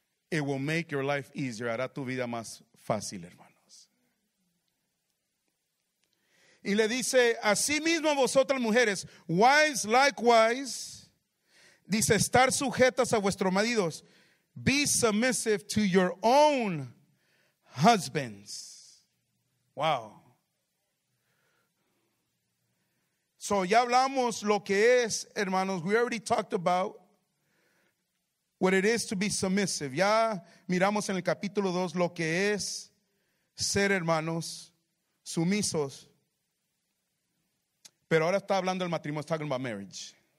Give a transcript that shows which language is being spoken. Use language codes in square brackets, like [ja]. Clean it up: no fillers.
[en] It will make your life easier, [es] hará tu vida más fácil, hermanos. Y le dice, así mismo vosotras mujeres, [en] wives likewise, [es] dice, estar sujetas a vuestros maridos. [en] Be submissive to your own husbands. Wow. [es] So ya hablamos lo que es, hermanos. [en] We already talked about what it is to be submissive. [es] Ya miramos en el capítulo 2 lo que es ser, hermanos, sumisos. Pero ahora está hablando del matrimonio, está hablando de marriage.